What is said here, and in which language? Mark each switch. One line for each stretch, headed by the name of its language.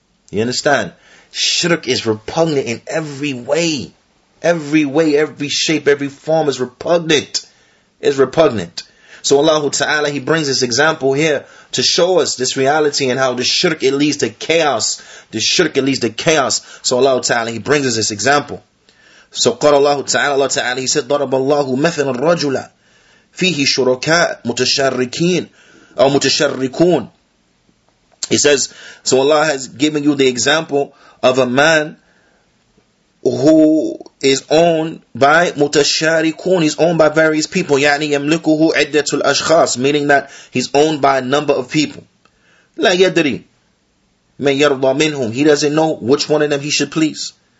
English: You understand? Shirk is repugnant in every way. Every way, every shape, every form is repugnant. It's repugnant. So Allah Ta'ala, He brings this example here to show us this reality and how the shirk, it leads to chaos. The shirk, it leads to chaos. So Allah Ta'ala, He brings us this example.
Arabic: So قال الله تعالى, الله تعالى, he said, ضرب الله مثلا رجلا فيه شركاء متشركين أو متشركون.
English: He says, so Allah has given you the example of a man who is owned by متشركون, he's owned by various people. يعني يملكه عدة الأشخاص, meaning that he's owned by a number of people. لا يدري من يرضى منهم, he doesn't know which one of them he should please.